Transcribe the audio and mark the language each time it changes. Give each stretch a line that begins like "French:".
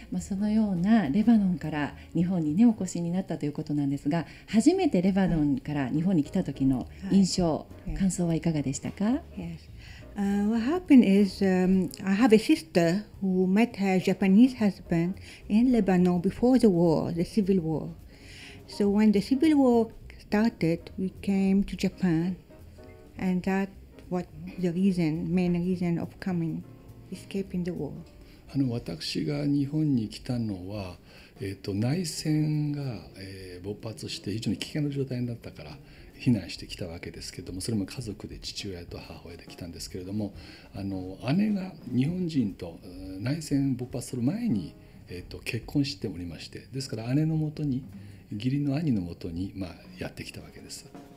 Japanese: そのようなレバノンから日本に、ね、お越しになったということなんですが、初めてレバノンから日本に来た時の印象、はい、感想はいかがでしたか。
English: Yes. What happened is, I have a sister who met her Japanese husband in Lebanon before the war, the civil war. So when the civil war started, we came to Japan, and that was the reason, main reason of coming, escaping the war.
Japanese: 私が日本に来たのは、内戦が、勃発して非常に危険な状態になったから避難してきたわけですけれども、それも家族で父親と母親で来たんですけれども、姉が日本人と内戦勃発する前に、結婚しておりまして、ですから姉のもとに、義理の兄のもとに、やってきたわけです。